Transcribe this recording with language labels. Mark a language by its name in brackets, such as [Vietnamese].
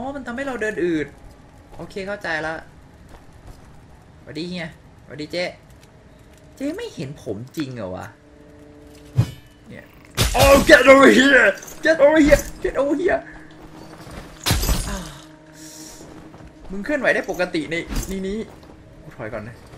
[Thai] ทำให้เราเดินอืดโอเคเข้าใจแล้วสวัสดีเฮียสวัสดีเจ๊เจ๊ไม่เห็นผมจริงเหรอวะเนี่ย [English] oh get over here get over here get over here [Thai] มึงเคลื่อนไหวได้ปกติในนี้กูถอยก่อนนะ